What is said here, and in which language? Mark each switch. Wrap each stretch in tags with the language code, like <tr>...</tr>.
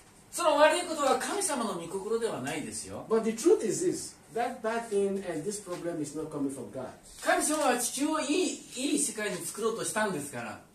<ja>その悪いことは神様の御心ではないですよ。</ja> <en>But the truth is this, that bad thing and this problem is not coming from God.</en> <ja>神様は地球をいい世界に作ろうとしたんですから。</ja>